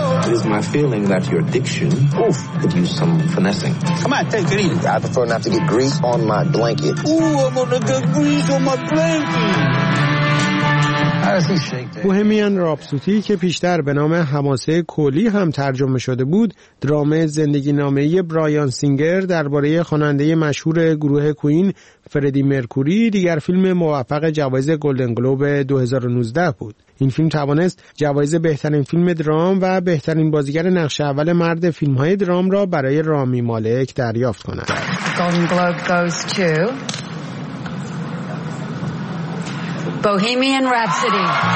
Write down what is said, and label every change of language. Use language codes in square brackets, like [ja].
[en] It is my feeling that your diction could use some finessing. Come on, take it easy. I prefer not to get grease on my blanket. Ooh, I'm gonna get grease on my blanket. [fa] بوهمیان رابسوتی که پیشتر به نام حماسه کلی هم ترجمه شده بود، درام زندگی نامه‌ای برایان سینگر درباره خواننده مشهور گروه کوئین فردی مرکوری، دیگر فیلم موفق جوایز گلدن گلوب 2019 بود. این فیلم توانست جوایز بهترین فیلم درام و بهترین بازیگر نقش اول مرد فیلم‌های درام را برای رامی مالک دریافت کند. [en] Golden Globe goes to Bohemian Rhapsody.